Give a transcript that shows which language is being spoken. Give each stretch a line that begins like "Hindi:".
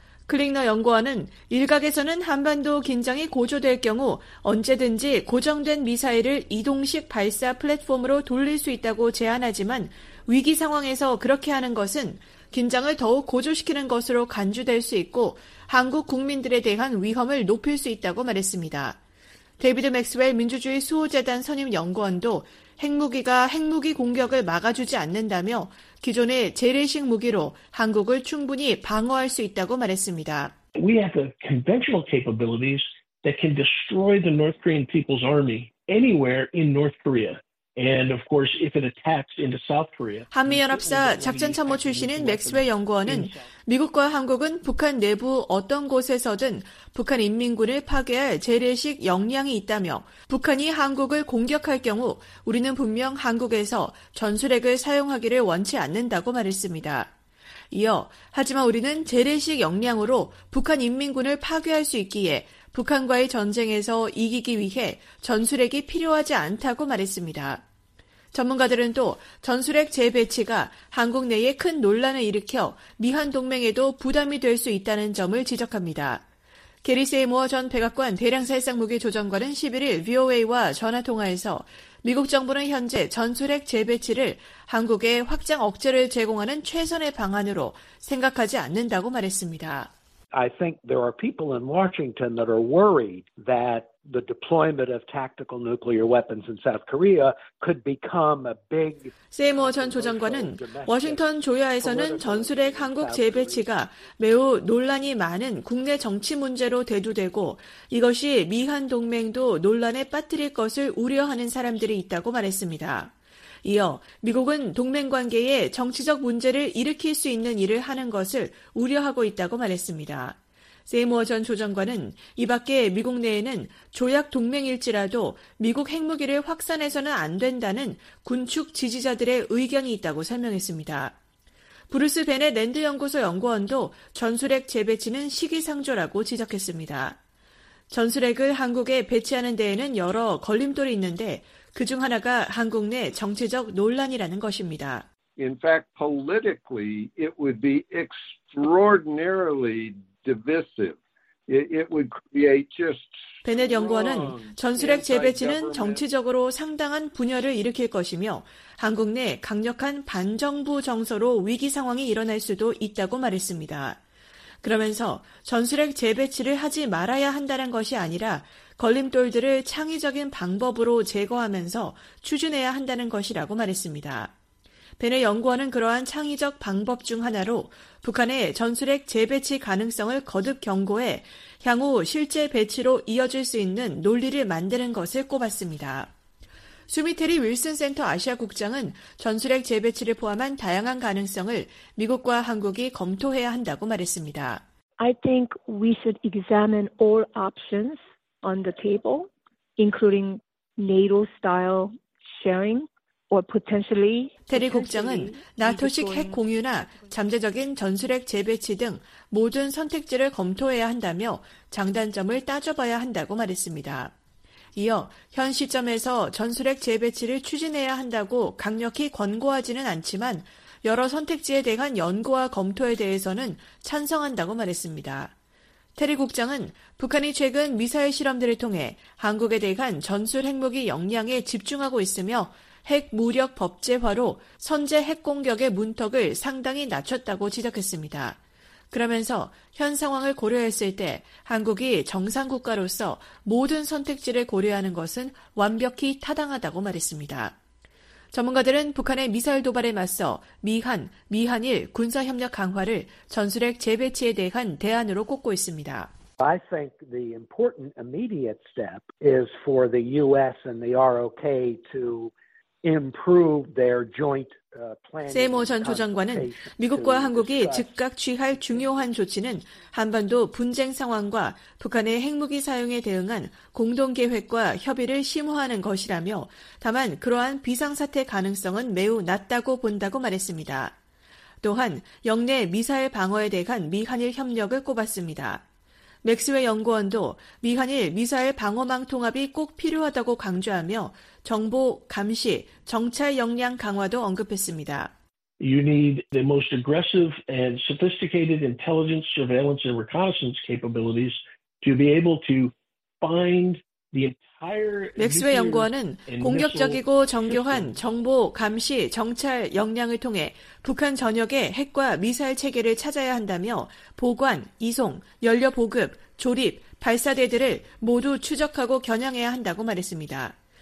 Korean: 클링너 연구원은 일각에서는 한반도 긴장이 고조될 경우 언제든지 고정된 미사일을 이동식 발사 플랫폼으로 돌릴 수 있다고 제안하지만 위기 상황에서 그렇게 하는 것은 긴장을 더욱 고조시키는 것으로 간주될 수 있고 한국 국민들에 대한 위험을 높일 수 있다고 말했습니다. 데이비드 맥스웰 민주주의 수호재단 선임 연구원도 핵무기가 핵무기 공격을 막아주지 않는다며 기존의 재래식 무기로 한국을 충분히 방어할 수 있다고 말했습니다.
English: We have the conventional capabilities that can destroy the North Korean people's army anywhere in North Korea. And of course, if it attacks into South Korea.
Korean: 한미연합사 작전참모 출신인 맥스웰 연구원은 미국과 한국은 북한 내부 어떤 곳에서든 북한 인민군을 파괴할 재래식 역량이 있다며 북한이 한국을 공격할 경우 우리는 분명 한국에서 전술핵을 사용하기를 원치 않는다고 말했습니다. 이어 하지만 우리는 재래식 역량으로 북한 인민군을 파괴할 수 있기에 북한과의 전쟁에서 이기기 위해 전술핵이 필요하지 않다고 말했습니다. 전문가들은 또 전술핵 재배치가 한국 내에 큰 논란을 일으켜 미한 동맹에도 부담이 될 수 있다는 점을 지적합니다. 게리 세이모어 전 백악관 대량살상무기 조정관은 11일 VOA와 전화통화에서 미국 정부는 현재 전술핵 재배치를 한국에 확장 억제를 제공하는 최선의 방안으로 생각하지 않는다고 말했습니다.
English: I think there are people in Washington that are worried that the deployment of tactical nuclear weapons in South Korea could become a big.
Korean: 세이머 전 조정관은 워싱턴 조야에서는 전술핵 한국 재배치가 매우 논란이 많은 국내 정치 문제로 대두되고 이것이 미한 동맹도 논란에 빠뜨릴 것을 우려하는 사람들이 있다고 말했습니다. 이어 미국은 동맹 관계에 정치적 문제를 일으킬 수 있는 일을 하는 것을 우려하고 있다고 말했습니다. 세이머 전 조정관은 이 밖에 미국 내에는 조약 동맹일지라도 미국 핵무기를 확산해서는 안 된다는 군축 지지자들의 의견이 있다고 설명했습니다. 브루스 베넷 랜드 연구소 연구원도 전술핵 재배치는 시기상조라고 지적했습니다. 전술핵을 한국에 배치하는 데에는 여러 걸림돌이 있는데 그중 하나가 한국 내 정치적 논란이라는 것입니다.
English: In fact, politically, it would be extraordinarily divisive. It would create just.
Korean: 베넷 연구원은 전술핵 재배치는 정치적으로 상당한 분열을 일으킬 것이며 한국 내 강력한 반정부 정서로 위기 상황이 일어날 수도 있다고 말했습니다. 그러면서 전술핵 재배치를 하지 말아야 한다는 것이 아니라 걸림돌들을 창의적인 방법으로 제거하면서 추진해야 한다는 것이라고 말했습니다. 베넷 연구원은 그러한 창의적 방법 중 하나로 북한의 전술핵 재배치 가능성을 거듭 경고해 향후 실제 배치로 이어질 수 있는 논리를 만드는 것을 꼽았습니다. 수미테리 윌슨 센터 아시아 국장은 전술핵 재배치를 포함한 다양한 가능성을 미국과 한국이 검토해야 한다고 말했습니다.
English: I think we should examine all options on the table, including NATO-style sharing or potentially.
Korean: 테리 국장은 나토식 핵 공유나 잠재적인 전술핵 재배치 등 모든 선택지를 검토해야 한다며 장단점을 따져봐야 한다고 말했습니다. 이어 현 시점에서 전술핵 재배치를 추진해야 한다고 강력히 권고하지는 않지만 여러 선택지에 대한 연구와 검토에 대해서는 찬성한다고 말했습니다. 테리 국장은 북한이 최근 미사일 실험들을 통해 한국에 대한 전술 핵무기 역량에 집중하고 있으며 핵 무력 법제화로 선제 핵 공격의 문턱을 상당히 낮췄다고 지적했습니다. 그러면서 현 상황을 고려했을 때 한국이 정상 국가로서 모든 선택지를 고려하는 것은 완벽히 타당하다고 말했습니다. 전문가들은 북한의 미사일 도발에 맞서 미한, 미한일 군사협력 강화를 전술핵 재배치에 대한 대안으로 꼽고 있습니다.
English: I think the important immediate step is for the US and the ROK to improve their joint
Korean: 세이머 전 조정관은 미국과 한국이 즉각 취할 중요한 조치는 한반도 분쟁 상황과 북한의 핵무기 사용에 대응한 공동계획과 협의를 심화하는 것이라며 다만 그러한 비상사태 가능성은 매우 낮다고 본다고 말했습니다. 또한 영내 미사일 방어에 대한 미한일 협력을 꼽았습니다. 맥스웰 연구원도 미한일 미사일 방어망 통합이 꼭 필요하다고 강조하며 정보, 감시, 정찰 역량 강화도 언급했습니다.
English: You need the most aggressive and sophisticated intelligence, surveillance and reconnaissance capabilities to be able to find
Korean: 맥스웰 연구원은 공격적이고 정교한 정보, 감시, 정찰 역량을 통해 북한 전역의 핵과 미사일 체계를 찾아야 한다며 보관, 이송, 연료 보급, 조립, 발사대들을 모두 추적하고 겨냥해야 한다고 말했습니다.